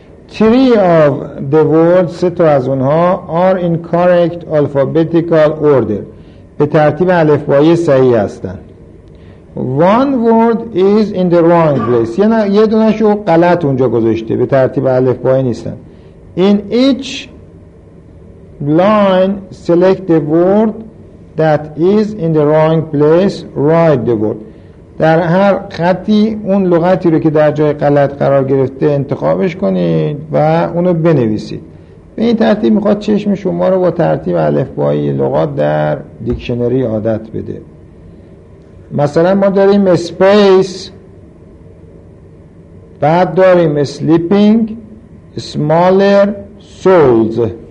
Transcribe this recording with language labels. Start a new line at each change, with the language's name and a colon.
English: Three of the words,
Persian: سه تا از اونها
English: are in correct alphabetical order.
Persian: به ترتیب الفبایی صحیح هستن.
English: One word is in the wrong place.
Persian: یه دونشو غلط اونجا گذاشته. به ترتیب الفبایی نیستن.
English: In each line, select the word that is in the wrong place. Write the word.
Persian: در هر خطی اون لغتی رو که در جای غلط قرار گرفته انتخابش کنید و اونو بنویسید. به این ترتیب میخواد چشم شما رو با ترتیب الفبایی لغات در دیکشنری عادت بده. مثلا ما داریم space، بعد داریم sleeping، smaller، souls.